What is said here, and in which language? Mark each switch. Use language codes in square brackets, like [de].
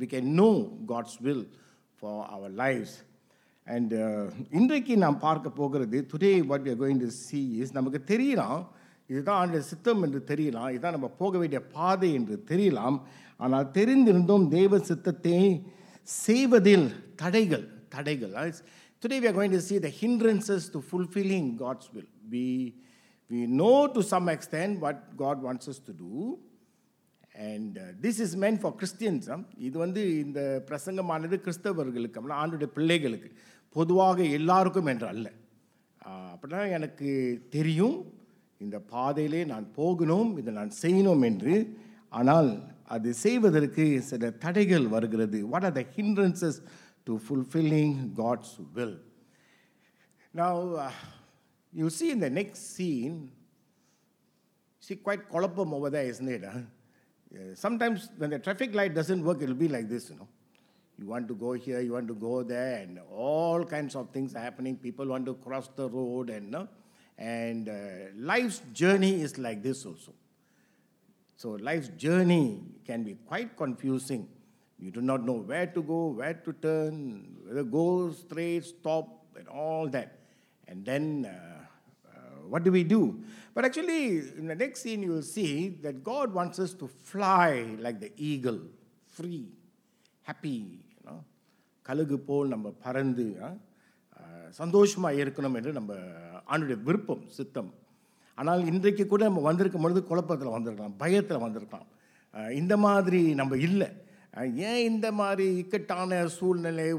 [en] We can know God's will for our lives. [ta] And இன்றைக்கு நாம் பார்க்க போகிறது, [en] today what you going to see is, [ta] நமக்கு தெரியலாம் இதுதான் ஆண்டுடைய சித்தம் என்று தெரியலாம், இதுதான் நம்ம போக வேண்டிய பாதை என்று தெரியலாம். ஆனால் தெரிந்திருந்தும் தேவ சித்தத்தை செய்வதில் தடைகள். [en] Today we are going to see the hindrances to fulfilling God's will. We know to some extent what God wants us to do. And this is meant for Christians. [ta] இது வந்து இந்த பிரசங்கமானது கிறிஸ்தவர்களுக்கு, ஆண்டுடைய பிள்ளைகளுக்கு, பொதுவாக எல்லாருக்கும் என்று அல்ல. அப்படின்னா எனக்கு தெரியும் இந்த பாதையிலே நான் போகணும், இதை நான் செய்யணும் என்று. ஆனால் அது செய்வதற்கு சில தடைகள் வருகிறது. [en] What are the hindrances to fulfilling God's will? Now, you see in the next scene, see quite kolappam over there, isn't it? Sometimes when the traffic light doesn't work, it'll be like this, you know. You want to go here, you want to go there, and all kinds of things are happening. People want to cross the road, and life's journey is like this also. So life's journey can be quite confusing. You do not know where to go, where to turn, whether go straight, stop, and all that. And then what do we do? But actually, in the next scene, you will see that God wants us to fly like the eagle, free, happy. [ta] கழுகு போல் நம்ம பறந்து சந்தோஷமாக இருக்கணும் என்று நம்ம ஆண்டுடைய விருப்பம் சித்தம். ஆனால் இன்றைக்கு கூட நம்ம வந்திருக்கும் பொழுது குழப்பத்தில் வந்திருக்கலாம், பயத்தில் வந்திருக்கலாம். இந்த மாதிரி நம்ம இல்லை, ஏன் இந்த மாதிரி இக்கட்டான சூழ்நிலை?